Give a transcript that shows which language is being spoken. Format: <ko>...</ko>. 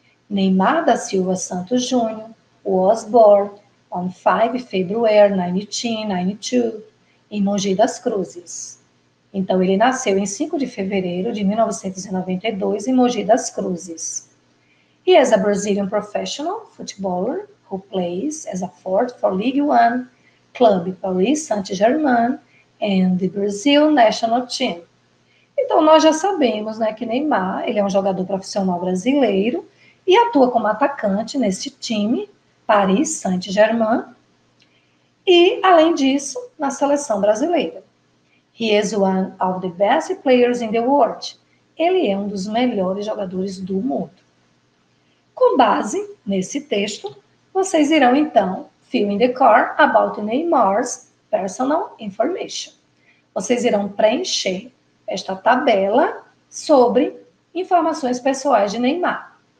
<en>Neymar da Silva Santos Júnior was born on 5 February 1992 em Mogi das Cruzes.</en> <pt>Então, ele nasceu em 5 de fevereiro de 1992 em Mogi das Cruzes.</pt> <en>He is a Brazilian professional footballer who plays as a forward for League One Club Paris Saint-Germain and the Brazil National Team.</en> <pt>Então, nós já sabemos, né, que Neymar, ele é um jogador profissional brasileiro e atua como atacante neste time, Paris Saint-Germain, e, além disso, na seleção brasileira.</pt> <en>He is one of the best players in the world.</en> <pt>Ele é um dos melhores jogadores do mundo. Com base nesse texto, vocês irão, então,</pt> <en>fill in the card about Neymar's personal information.</en> <pt>Vocês irão preencher esta tabela sobre informações pessoais de Neymar.</pt>